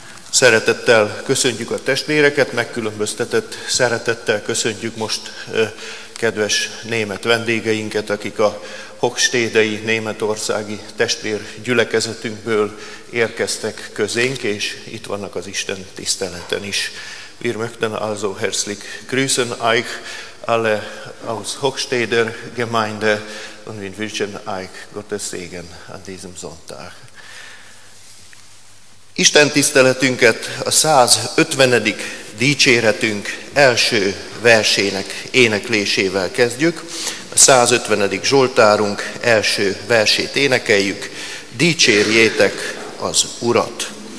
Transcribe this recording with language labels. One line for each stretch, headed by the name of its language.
Hungarian: Szeretettel köszöntjük a testvéreket, megkülönböztetett szeretettel köszöntjük most kedves német vendégeinket, akik a hokstédei németországi testvér gyülekezetünkből érkeztek közénk, és itt vannak az Isten tiszteleten is.
German: Wir möchten also herzlich grüßen euch alle aus Hochstädter Gemeinde und wir wünschen euch Gottes Segen an diesem Sonntag.
Hungarian: Isten tiszteletünket a 150. dicséretünk első versének éneklésével kezdjük. A 150. Zsoltárunk első versét énekeljük. Dicsérjétek az Urat!